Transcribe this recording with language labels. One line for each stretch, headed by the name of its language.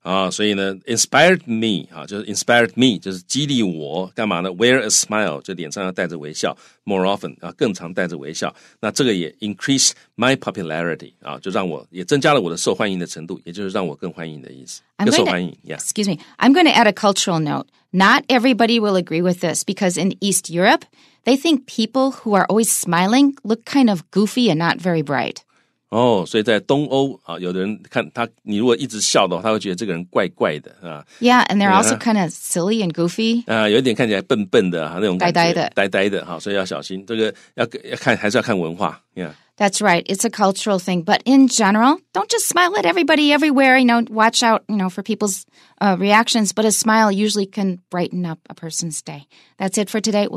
Chinese: 所以呢
English: inspired me
Chinese: 就是 inspired me 就是激励我干嘛呢
English: wear a smile
Chinese: 就脸上要带着微笑
English: more often
Chinese: 更常带着微笑那这个也
English: increase my popularity
Chinese: 就让我也增加了我的受欢迎的程度也就是让我更欢迎的意思更受欢迎
English: Excuse me I'm going to add a cultural note Not everybody will agree with this because in East Europe they think people who are always smiling look kind of goofy and not very bright
Chinese: 所以在东欧啊，有的人看他，你如果一直笑的话，他会觉得这个人怪怪的啊。
English: Yeah, and they're also kind of silly and goofy.
Chinese: 有一点看起来笨笨的啊，那种呆呆的，呆呆的哈，所以要小心，这个要看还是要看文化。
English: Yeah, that's right. It's a cultural thing, but in general, don't just smile at everybody everywhere. You know, watch out, you know, for people's reactions. But a smile usually can brighten up a person's day. That's it for today. We'll